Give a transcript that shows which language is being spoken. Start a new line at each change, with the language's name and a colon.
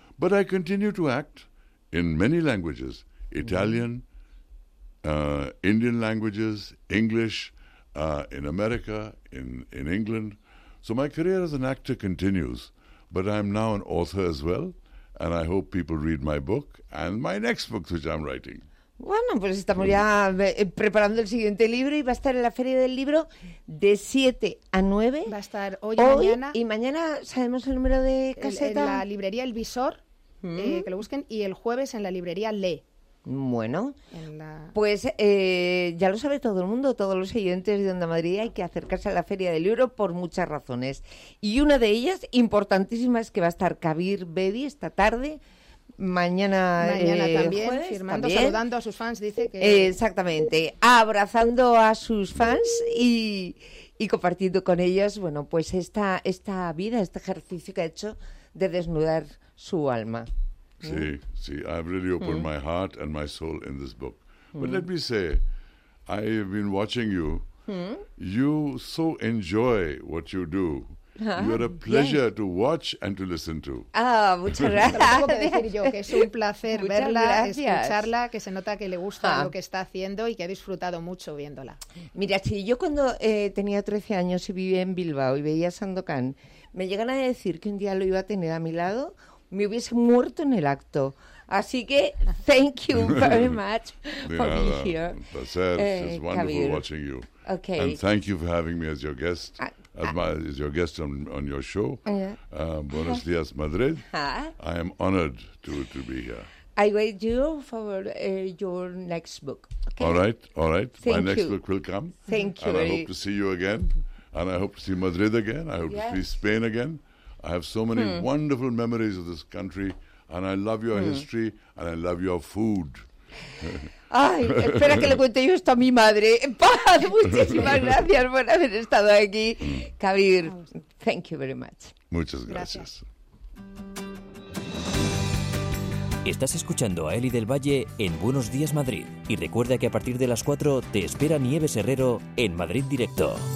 English: But I continue to act in many languages, Italian, Indian languages, English, in America, in England. So my career as an actor continues, but I'm now an author as well. And I hope people read my book and my next book, which I'm writing.
Spanish: Bueno, pues estamos ya preparando el siguiente libro y va a estar en la Feria del Libro de 7 a 9. Va a estar hoy mañana. Y mañana sabemos el número de caseta. En la librería El Visor, que lo busquen, y el jueves en la librería Lee. Bueno, pues ya lo sabe todo el mundo, todos los oyentes de Onda Madrid, hay que acercarse a la Feria del Libro por muchas razones. Y una de ellas, importantísima, es que va a estar Kabir Bedi esta tarde, mañana, jueves, firmando, también, saludando a sus fans, dice que... Exactamente, abrazando a sus fans y compartiendo con ellos, bueno, pues esta vida, este ejercicio que ha hecho de desnudar su alma.
English: Sí, I've really opened my heart and my soul in this book. But let me say, I have been watching you. You so enjoy what you do. You are a pleasure to watch and to listen to.
Spanish: Muchas gracias. Tengo que decir yo que es un placer verla, escucharla, que se nota que le gusta lo que está haciendo y que ha disfrutado mucho viéndola. Mira, si yo cuando tenía 13 años y vivía en Bilbao y veía Sandokan, me llegan a decir que un día lo iba a tener a mi lado, me hubiese muerto en el acto. Así que,
English: thank you very much for being here. Placer, it's wonderful Kabir. Watching you. Okay. And thank you for having me as your guest. As your guest on your show. Yeah.
Spanish: Buenos días, Madrid.
English: I am honored to be here. I wait you for your next book. Okay? All right. Thank My you. Next book will come. Thank you. And I hope to see you again. And I hope to see Madrid again. I hope to see Spain again. I have so many wonderful memories of this country. And I love your history. And I love your food.
Spanish: Ay, espera que le cuente yo esto a mi madre. Paz, muchísimas gracias por haber estado aquí.
English: Kabir, thank you very much.
Spanish: Muchas gracias. Estás escuchando a Eli del Valle en Buenos Días Madrid. Y recuerda que a partir de las 4 te espera Nieves Herrero en Madrid Directo.